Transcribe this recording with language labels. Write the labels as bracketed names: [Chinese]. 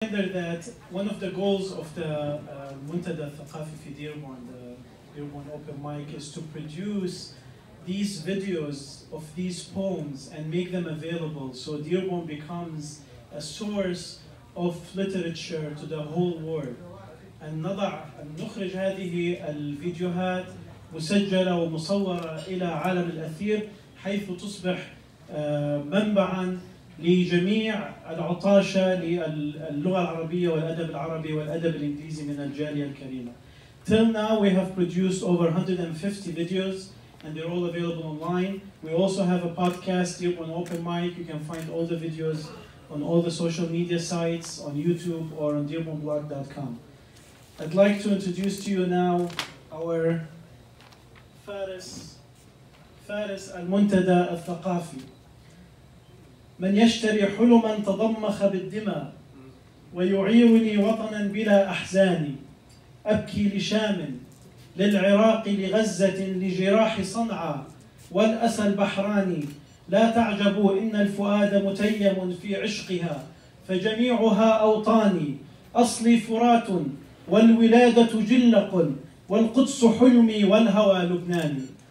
[English] Remember that one of the goals of the Muntada Thaqafi fi Dearborn, the Dearborn Open Mic, is to produce these videos of these poems and make them available so Dearborn becomes a source of literature to the whole world. [Arabic] أن نضع أن نخرج هذه الفيديوهات مسجلة ومصورة إلى عالم الأثير حيث تصبح منبعا لجميع العطاشة للغة العربية والأدب العربي والأدب الإنجليزي من الجالية الكريمة. [English] Till now we have produced over 150 videos and they're all available online. We also have a podcast here on Open Mic. You can find all the videos on all the social media sites on YouTube or on dearbornblog.com. I'd like to introduce to you now our Faris al-Muntada al-Thaqafi. [Arabic] من يشتري حلما تضمخ بالدماء ويعيرني وطنا بلا أحزاني أبكي لشام للعراق لغزة لجراح صنعاء والأسى البحراني لا تعجبوا إن الفؤاد متيم في عشقها فجميعها أوطاني أصلي فرات والولادة جلق والقدس حلمي والهوى لبناني.